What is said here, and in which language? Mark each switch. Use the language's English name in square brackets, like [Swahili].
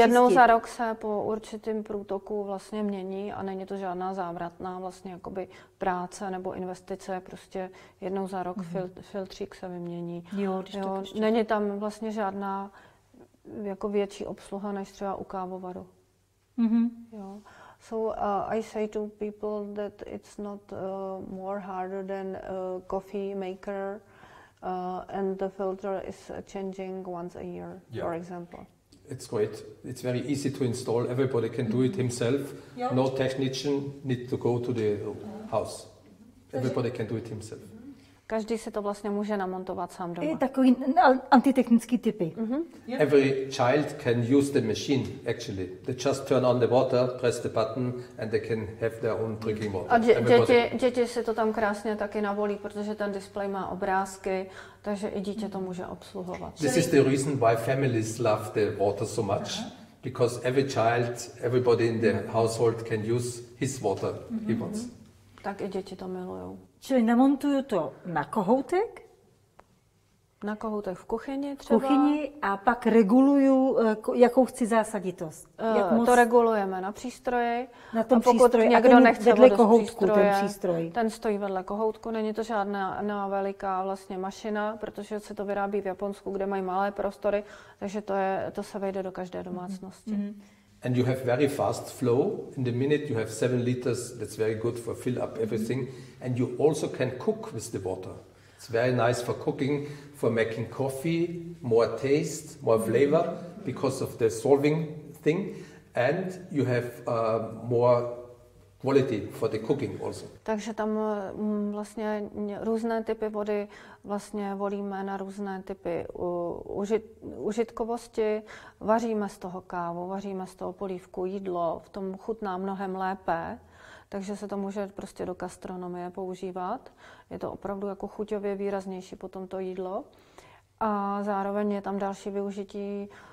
[Czech] Jednou za rok se po určitým průtoku vlastně mění a není to žádná závratná vlastně jakoby práce nebo investice. Prostě jednou za rok filtřík se vymění. Jo, není tam vlastně žádná jako větší obsluha než třeba u kávovaru. Mm-hmm. Jo. [English] So I say to people that it's not more harder than a coffee maker and the filter is changing once a year, for example. It's great. It's very easy to install. Everybody can do it himself. Yeah. No technician need to go to the house. Everybody can do it himself. [Czech] Každý si to vlastně může namontovat sám doma. Je takový antitechnický typy. Mm-hmm. [English] Yeah. Every child can use the machine, actually. They just turn on the water, press the button and they can have their own drinking water. [Czech] A děti si to tam krásně taky navolí, protože ten displej má obrázky, takže i dítě to může obsluhovat. [English] This is the reason why families love the water so much. Uh-huh. Because every child, everybody in the household can use his water, mm-hmm. he wants. [Czech] Tak i děti to milujou. Čili namontuju to na kohoutek? Na kohoutek v kuchyni třeba. V kuchyni a pak reguluju, jakou chci zásaditost. To regulujeme na přístroji. Na tom přístroji a ten nechce vedle kohoutku, ten přístroj. Ten stojí vedle kohoutku, není to žádná veliká vlastně mašina, protože se to vyrábí v Japonsku, kde mají malé prostory, takže to se vejde do každé domácnosti. Mm-hmm. [English] And you have very fast flow. In the minute you have 7 liters, that's very good for fill up everything. Mm-hmm. And you also can cook with the water. It's very nice for cooking, for making coffee, more taste, more flavor because of the solving thing. And you have more quality for the cooking also. [Czech] Takže tam vlastně různé typy vody vlastně volíme na různé typy užitkovosti. Vaříme z toho kávu, vaříme z toho polívku, jídlo, v tom chutná mnohem lépe. Takže se to může prostě do gastronomie používat. Je to opravdu jako chuťově výraznější potom to jídlo. A zároveň je tam další využití